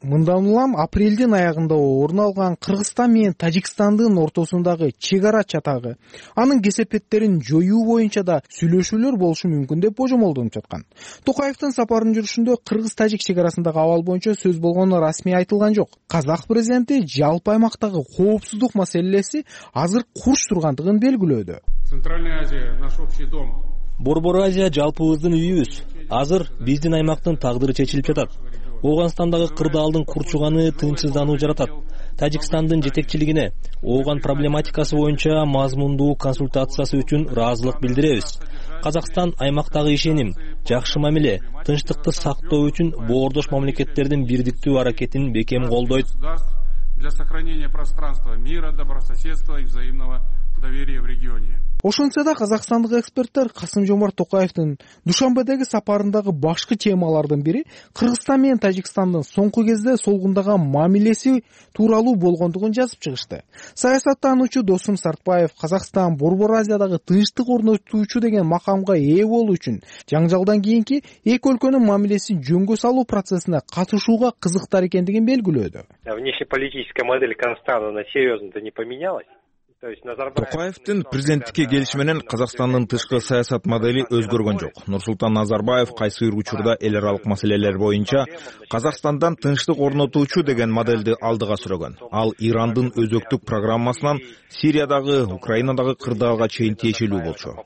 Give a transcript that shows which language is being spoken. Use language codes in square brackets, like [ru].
[ky] Мындан улам апрелдин аягында орун алган Кыргызстан менен Тажикстандын ортосундагы чек ара чатагы анын кесепеттерин жоюу боюнча да сүйлөшүүлөр болушу мүмкүн деп божомолдуу. Токаевдин сапарынын жүрүшүндө Кыргыз-Тажик чек арасындагы абал боюнча сөз болгону расмий айтылган жок. Казак президенти жалпы аймактагы коопсуздук маселеси азыр курч тургандыгын белгилөөдө. [ru] Центральная Азия наш общий дом. [ky] Борбор Азия жалпыбыздын үйүбүз. Азыр биздин аймактын тагдыры чечилип жатат. Ооганстандагы кырдаалдын курчуганы тынчсыздануу жаратат. Тажикстандын жетекчилигине ооган проблематикасы боюнча мазмундуу консультациясы үчүн ыраазылык билдиребиз. Казакстан аймактагы ишеним, жакшы мамиле, тынчтыкты сактоо үчүн боордош мамлекеттердин бирдиктүү аракетин бекем колдойт. [ru] Для сохранения пространства мира, добрососедства и взаимного доверия в регионе. [ky] Ошентсе да казакстандык эксперттер Касым Жомарт Токаевдин Душанбедеги сапарындагы башкы темалардын бири Кыргызстан менен Тажикстандын соңку кезде солгундаган мамилеси тууралуу болгондугун жазып чыгышты. Саясаттануучу Досум Сартбаев Казакстан Борбор Азиядагы тынчтык орнотуучу деген макамга ээ болуу үчүн жаңжалдан кийинки эки өлкөнүн мамилесин жөнгө салуу процессине катышууга кызыктар экендигин белгилөөдө. [ru] Внешнеполитическая модель Казахстана серьезно-то не поменялась. [ky] Токаевдин президенттикке келиши менен Казакстандын тышкы саясат модели өзгөргөн жок. Нурсултан Назарбаев кайсыр учурда эл аралык маселелер боюнча Казакстандан тынчтык орнотуучу деген модельди алдыга сүрөгөн. Ал Ирандын өзөктүк программасынан Сириядагы, Украинадагы кырдаалга чейин тиешелүү болчу.